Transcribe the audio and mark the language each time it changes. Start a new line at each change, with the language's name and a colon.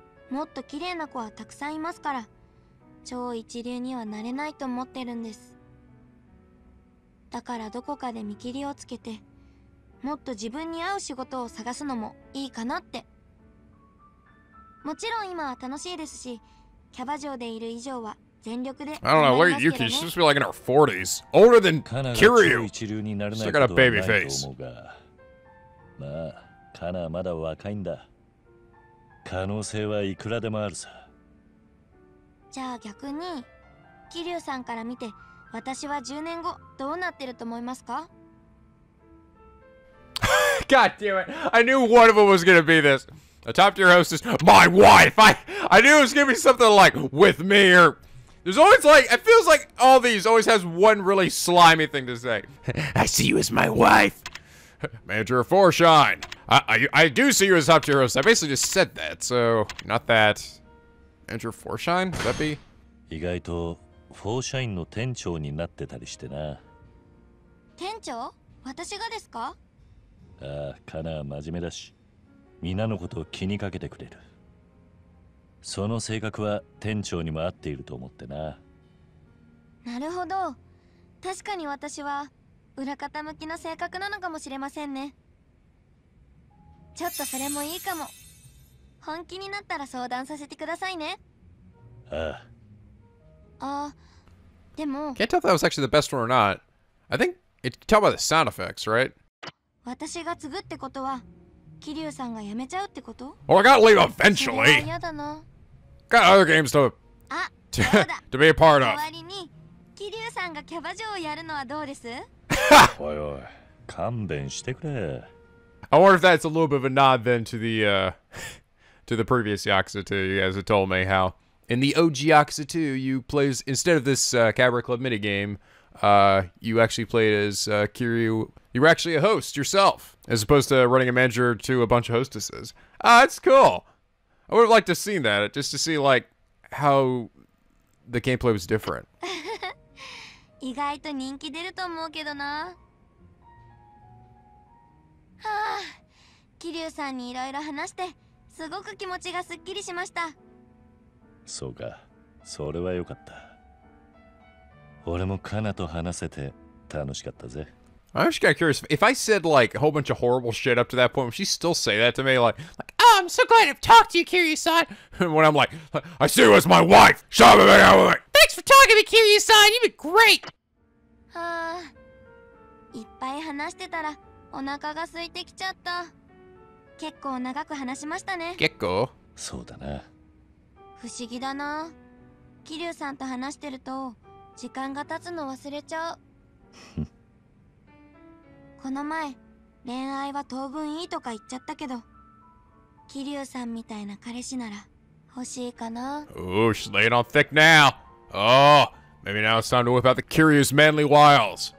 Japanese: もっと綺麗な子はたくさんいますから。超一流にはなれないと思ってるんです。だからどこかで見切りをつけて、もっと自分に合う仕事を探すのもいいかなって。もちろん今は楽しいですし、キャバ嬢でいる以上は全力で頑張りますけどね。
English: I don't know, Yuki, she seems to be like in her 40s. Older than Kiryu. She's got a baby face.
Japanese: まあ、カナはまだ若いんだ。可能性はいくらでもあるさ。じゃあ逆に、キリュウさんから見て、私は10年後どうなってると思いますか？
English: God damn it! I knew one of them was gonna be this. The top tier host is my wife. I knew it was gonna be something like with me or. There's always like it feels like all these always has one really slimy thing to say. I see you as my wife. Manager of Foreshine. I do see you as top tier host. I basically just said that, so not that. Enter Foreshine? Would that be?
Japanese: 意外と、フォーシャインの店長になってたりしてな。店長？私がですか？ああ、カナは真面目だし、皆のことを気にかけてくれる。その性格は店長にも合っていると思ってな。なるほど。確かに私は、裏方向きな性格なのかもしれませんね。ちょっとそれもいいかも。本気になったら相談させてくださいね。ああ。でも。
English: Can't tell if that was actually the best one or not. I think it's talk about the sound effects, right?
Japanese: 私が継ぐってことは、キリュウさんが辞めちゃうってこと？
English: Well, I gotta leave eventually.
Japanese: それは嫌だな。
English: Got other games to. あ、 to be a part of.
Japanese: 終わりに、キリュウさんがキャバ嬢をやるのはどうです？おいおい、勘弁してくれ。
English: I wonder if that's a little bit of a nod then to the, to the previous Yakuza 2, you guys have told me how. In the OG Yakuza 2, you play as, instead of this Cabaret Club minigame, you actually played as Kiryu. You were actually a host yourself, as opposed to running a manager to a bunch of hostesses. Ah, that's cool. I would have liked to have seen that, just to see, like, how the gameplay was different.
Japanese: 意外と人気出ると思うけどな。はあ、キリュウさんにいろいろ話して、すごく気持ちがすっきりしました。そうか、それはよかった。俺もカナと話せて楽しかったぜ。
English: I'm just kind of curious, if I said like a whole bunch of horrible shit up to that point, would she still say that to me? Like oh, I'm so glad I've talked to you, Kiryu-san. When I'm like, I see you as my wife! Shut up and I'm like, thanks for talking to me, Kiryu-san! You've been great!
Japanese: いっぱい話してたら、お腹が空いてきちゃった。結構長く話しましたね。結構？そうだな。不思議だな。キリュウさんと話してると、時間が経つの忘れちゃう。この前、恋愛は当分いいとか言っちゃったけど、キリュウさんみたいな彼氏なら、欲しいかな。
English: Ooh, she's laying on thick now! Oh! Maybe now it's time to whip out the Kiryu's manly wiles.